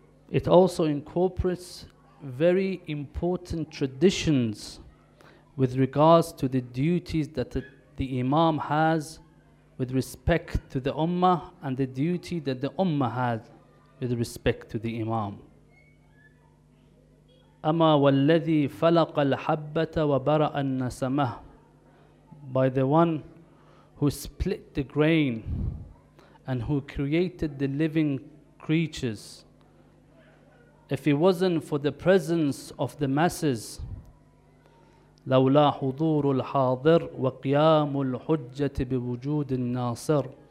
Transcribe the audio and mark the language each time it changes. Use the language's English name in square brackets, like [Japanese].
[English] It also incorporates very important traditions with regards to the duties that the Imam has with respect to the Ummah and the duty that the Ummah has with respect to the Imam. [Arabic] أما والذي فلق الحبة وبرأ النسمة. [English] By the one who split the grain and who created the living creatures. If it wasn't for the presence of the masses, [Arabic] لولا حضور الحاضر وقيام الحجة بوجود الناصر.